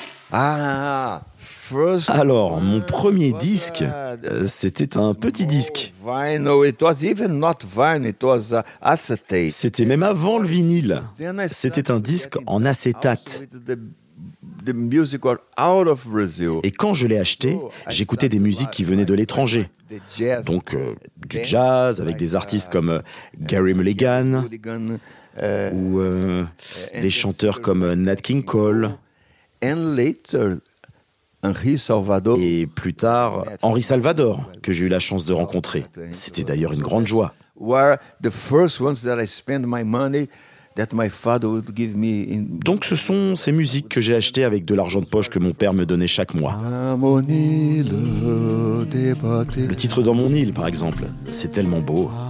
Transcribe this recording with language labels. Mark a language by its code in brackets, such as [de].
[fr] Alors, mon premier disque, c'était un petit disque. C'était même avant le vinyle. C'était un disque en acétate. [en] the music got out of Brazil. [fr] Et quand je l'ai acheté, j'écoutais des musiques qui venaient de l'étranger. Donc du jazz avec des artistes comme Gary Mulligan ou des chanteurs comme Nat King Cole. [en] And later Henry Salvador. [fr] Et plus tard, Henry Salvador, que j'ai eu la chance de rencontrer. C'était d'ailleurs une grande joie. Donc ce sont ces musiques que j'ai achetées avec de l'argent de poche que mon père me donnait chaque mois. Le titre Dans mon île, par exemple, c'est tellement beau.